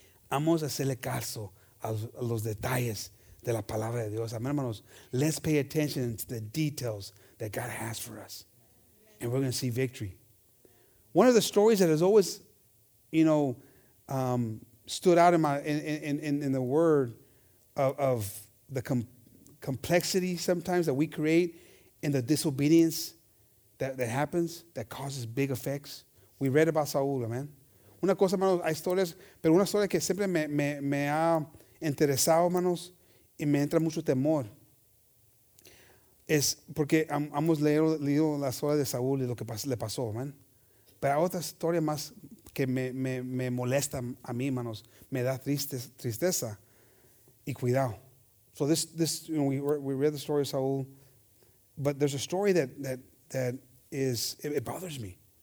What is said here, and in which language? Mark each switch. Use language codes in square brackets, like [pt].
[es] Vamos a hacerle caso a los detalles de la palabra de Dios. Amén, hermanos. [en] Let's pay attention to the details that God has for us. And we're going to see victory. One of the stories that has always, you know, stood out in the word of the complexity sometimes that we create and the disobedience that happens that causes big effects. We read about Saul, amen. [es] Una cosa, hermanos, hay historias, pero una historia que siempre me ha interesado, hermanos, y me entra mucho temor. Es porque hemos leído la historia de Saúl y lo que le pasó, man. Pero hay otra historia más que me molesta a mí, hermanos. Me da tristeza y cuidado. [en] So this you know, we read the story of Saúl, but there's a story that is, it bothers me.